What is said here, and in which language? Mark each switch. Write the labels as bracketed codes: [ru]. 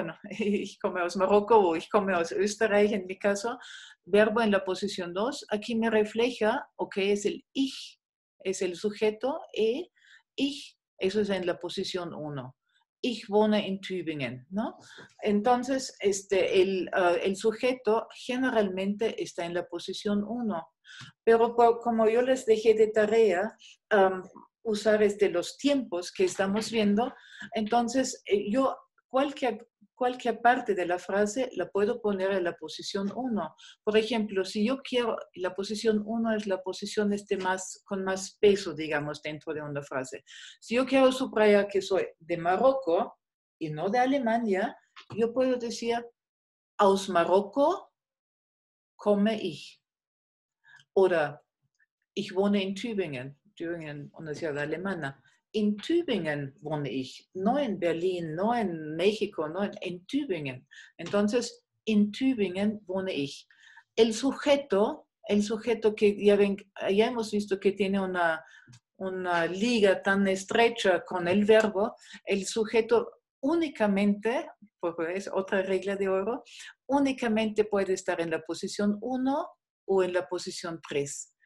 [de] Ich komme aus Marokko o ich komme aus Österreich, [es] en mi caso. Verbo en la posición 2. Aquí me refleja, ok, es el ich, es el sujeto, e ich, eso es en la posición 1. [de] Ich wohne in Tübingen, ¿no? [es] Entonces, el sujeto generalmente está en la posición 1. Pero como yo les dejé de tarea usar los tiempos que estamos viendo, entonces yo cualquier parte de la frase la puedo poner en la posición 1. Por ejemplo, si yo quiero, la posición 1 es la posición con más peso, digamos, dentro de una frase. Si yo quiero subrayar que soy de Marocco y no de Alemania, yo puedo decir, [de] aus Marocco komme ich. [es] O, ich wohne in Tübingen. Tübingen, una ciudad alemana. [de] In Tübingen wohne ich, [es] no en Berlín, no en México, no en Tübingen. Entonces, [de] in Tübingen wohne ich. [es] El sujeto que ya hemos visto que tiene una liga tan estrecha con el verbo, el sujeto únicamente, porque es otra regla de oro, únicamente puede estar en la posición 1 o en la posición 3.